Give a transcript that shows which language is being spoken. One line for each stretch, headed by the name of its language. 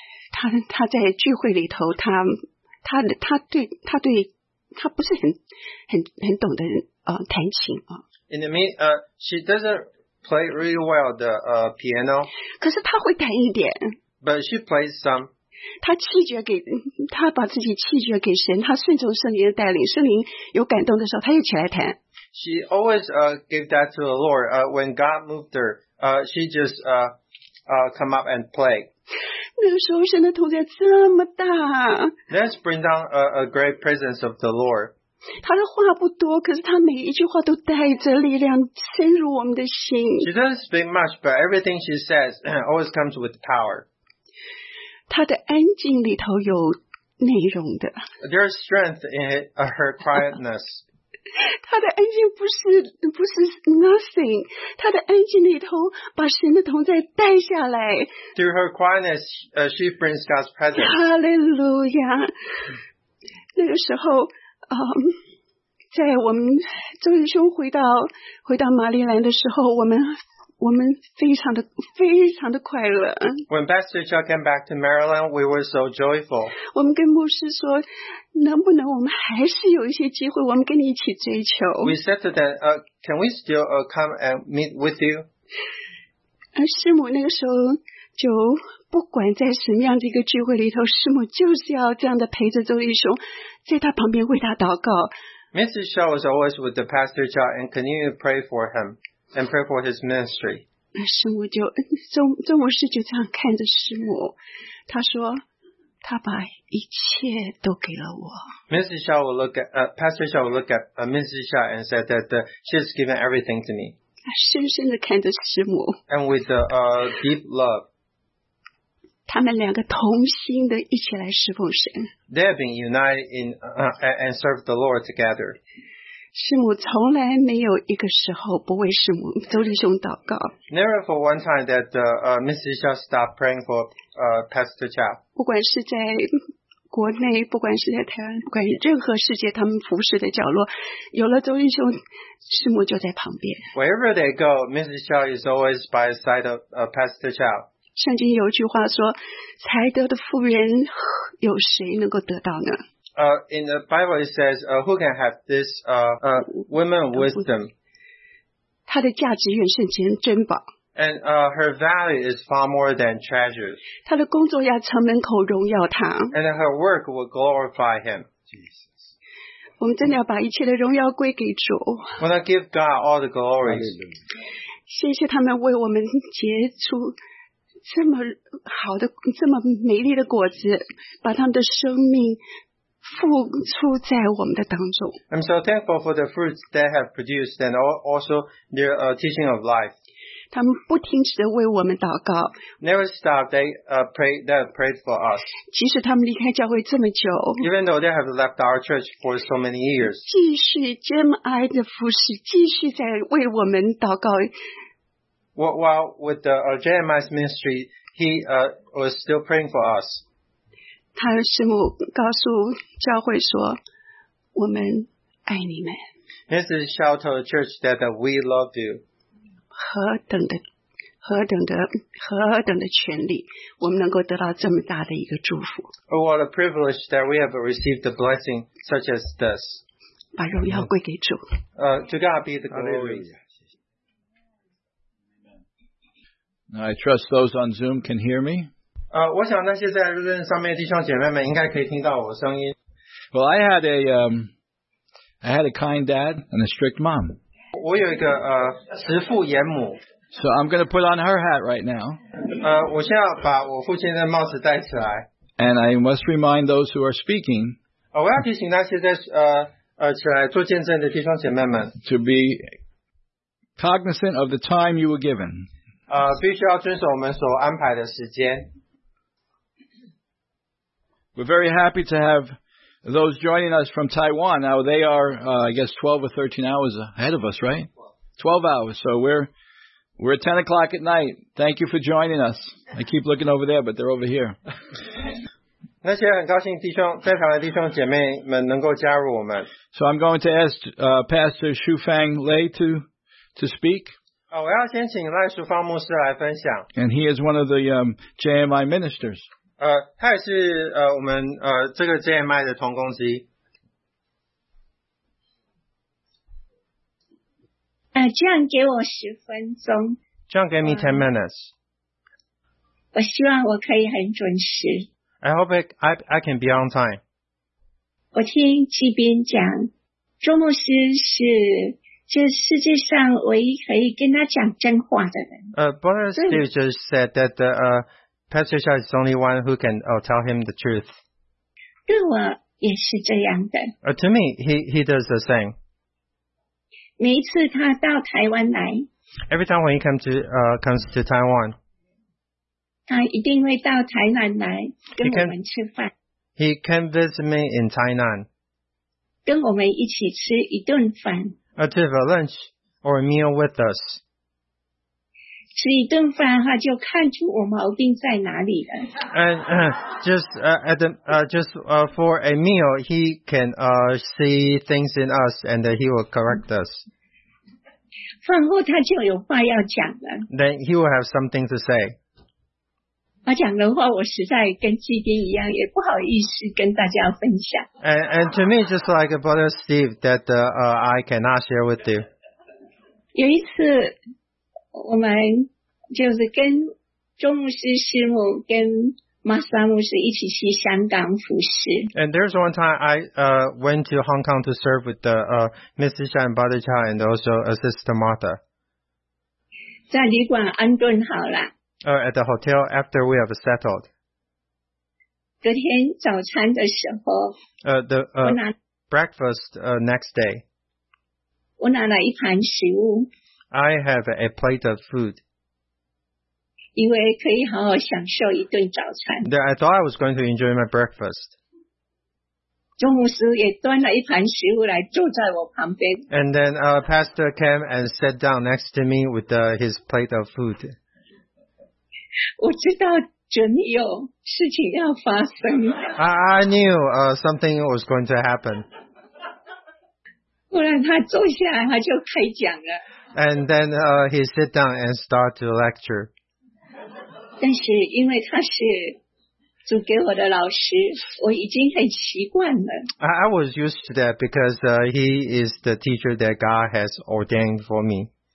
Chinese: 他在聚会里头，他对他不是很懂得弹琴啊。
English: In the mean, she doesn't play really well the piano.
Chinese: 可是他会弹一点。
English: But she plays some.
Chinese: 他把自己弃绝给神，他顺从圣灵的带领，圣灵有感动的时候，他又起来弹。
English: She always gave that to the Lord. When God moved her, she just come up and play.
Chinese: 那个时候神的同在这么大。
English: That's bring down a great presence of the Lord.
Chinese: 他的话不多，可是他每一句话都带着力量深入我们的心。
English: She doesn't speak much, but everything she says always comes with power.
Chinese: 他的安静里头有内容的。
English: There is strength in her quietness.
Chinese: 他的安静不是 nothing. 他的安静里头把神的同在带下来。
English: Through her quietness, she brings God's presence. Hallelujah.
Chinese: 那个时候，在我们周弟兄回到马里兰的时候，我们我们非常的快乐。
English: When Pastor Chuck came back to Maryland, we were so joyful.
Chinese: 我们跟牧师说，能不能我们还是有一些机会，我们跟你一起追求。
English: We said to them, can we still come and meet with you?
Chinese: 而师母那个时候就不管在什么样的一个聚会里头，师母就是要这样的陪着周弟兄，在他旁边为他祷告。
English: Mrs. Shaw was always with the Pastor Chuck and continued to pray for him and pray for his ministry.
Chinese: 师母就周牧师就这样看着师母，他说他把一切都给了我。
English: Mrs. Shaw will look at Pastor Shaw will look at Mrs. Shaw and said that she's given everything to me.
Chinese: 深深的看着师母。
English: And with the deep love.
Chinese: 他们两个同心的一起来侍奉神。
English: They have been united in and served the Lord together.
Chinese: 师母从来没有一个时候不为师母周弟兄祷告。
English: Never for one time that Mrs. Shaw stopped praying for Pastor Cha.
Chinese: 不管是在国内，不管是在台湾，不管任何世界他们服侍的角落，有了周弟兄，师母就在旁边。
English: Wherever they go, Mrs. Shaw is always by the side of Pastor Cha.
Chinese: 圣经有句话说，才德的妇人有谁能够得到呢？
English: In the Bible it says, who can have this woman wisdom?
Chinese: 她的价值远胜钱珍宝。
English: And her value is far more than treasures.
Chinese: 她的工作要从门口荣耀她。
English: And her work will glorify him. Jesus.
Chinese: 我们真的要把一切的荣耀归给主。
English: Wanna give God all the glory.
Chinese: 谢谢他们为我们结出这么好的、这么美丽的果子，把他们的生命付出在我们的当中。
English: I'm so thankful for the fruits they have produced and also their teaching of life.
Chinese: 他们不停止地为我们祷告。
English: Never stop. They pray. They have prayed for us.
Chinese: 即使他们离开教会这么久。
English: Even though they have left our church for so many years.
Chinese: 继续坚爱的服侍，继续在为我们祷告。
English: While with the JMI's ministry, he was still praying for us.
Chinese: 他的师母告诉教会说，我们爱你们。
English: Mrs. Shaw told the church that we love you.
Chinese: 何等的权利，我们能够得到这么大的一个祝福。
English: What a privilege that we have received a blessing such as this.
Chinese: 把荣耀归给主。
English: To God be the glory. Hallelujah. I trust those on Zoom can hear me.
Chinese: 我想那些在录音上面的弟兄姐妹们应该可以听到我的声音。
English: Well, I had a kind dad and a strict mom.
Chinese: 我有一个慈父严母。
English: So I'm going to put on her hat right now.
Chinese: 我现在把我父亲的帽子戴起来。
English: And I must remind those who are speaking.
Chinese: 我要提醒那些在起来做见证的弟兄姐妹们。
English: To be cognizant of the time you were given.
Chinese: 必须要遵守我们所安排的时间。
English: We're very happy to have those joining us from Taiwan. Now they are, I guess, 12 or 13 hours ahead of us, right? 12 hours. So we're at 10 o'clock at night. Thank you for joining us. I keep looking over there, but they're over here.
Chinese: 那些很高兴弟兄在场的弟兄姐妹们能够加入我们。
English: So I'm going to ask Pastor Xu Fang Lei to speak.
Chinese: 我要先请赖淑芳牧师来分享。
English: And he is one of the JMI ministers.
Chinese: 他也是我们这个 JMI 的同工之一。这样给我十分钟。这样给
English: me 10 minutes.
Chinese: 我希望我可以很准时。
English: I hope I can be on time.
Chinese: 我听纪斌讲，周牧师是这世界上唯一可以跟他讲真话的人。
English: Brother Steve just said that Pastor Shaw is the only one who can tell him the truth.
Chinese: 对我也是这样的。
English: To me, he does the same.
Chinese: 每一次他到台湾来。
English: Every time when he comes to Taiwan.
Chinese: 他一定会到台南来跟我们吃饭。
English: He can visit me in Tainan.
Chinese: 跟我们一起吃一顿饭。
English: To have a lunch or a meal with us.
Chinese: 吃一顿饭的话就看出我毛病在哪里了。
English: And for a meal, he can see things in us and he will correct us.
Chinese: 饭后他就有话要讲了。
English: Then he will have something to say.
Chinese: 他讲的话我实在跟基丁一样也不好意思跟大家分享。
English: And to me, just like Brother Steve, that I cannot share with you.
Chinese: 有一次我们就是跟周牧师师母跟马萨牧师一起去香港服侍。
English: And there's one time I went to Hong Kong to serve with the Mrs. Cha and Brother Cha and also Sister Martha.
Chinese: 在旅馆安顿好了。
English: At the hotel after we have settled.
Chinese: 隔天早餐的时候。
English: Next day.
Chinese: 我拿了一盘食物。
English: I have a plate of food.
Chinese: 以为可以好好享受一顿早餐。
English: Then I thought I was going to enjoy my breakfast.
Chinese: 中午时也端了一盘食物来坐在我旁边。
English: And then Pastor came and sat down next to me with his plate of food.
Chinese: 我知道准有事情要发生。
English: I knew something was going to happen.
Chinese: 后来他坐下来他就开讲了。
English: And then he sit down and start to lecture.
Chinese: 但是因为他是主给我的老师，我已经很习惯了。
English: I was used to that because he is the teacher that God has ordained for me.